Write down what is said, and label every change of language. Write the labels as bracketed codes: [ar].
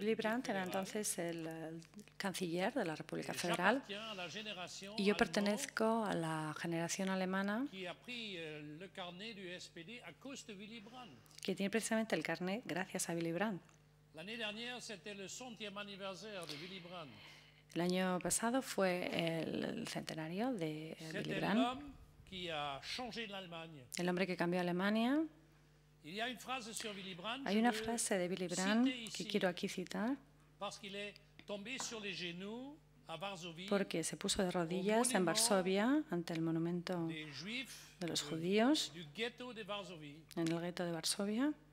[es] Willy Brandt era entonces el canciller de la República Federal. Y yo pertenezco a la generación alemana que tiene precisamente el carnet gracias a Willy Brandt. [fr] L'année dernière, c'était le centième anniversaire de Willy Brandt. [es] El año pasado fue el centenario de Willy Brandt. [fr] C'était l'homme qui a changé l'Allemagne. [es] El hombre que cambió Alemania. [fr] Il y a une phrase sur Willy Brandt. [es] Hay una frase de Willy Brandt que quiero aquí citar. [fr] Parce qu'il est tombé sur les genoux à Varsovie. [es] Porque se puso de rodillas en Varsovia ante el monumento de los judíos en el gueto de Varsovia.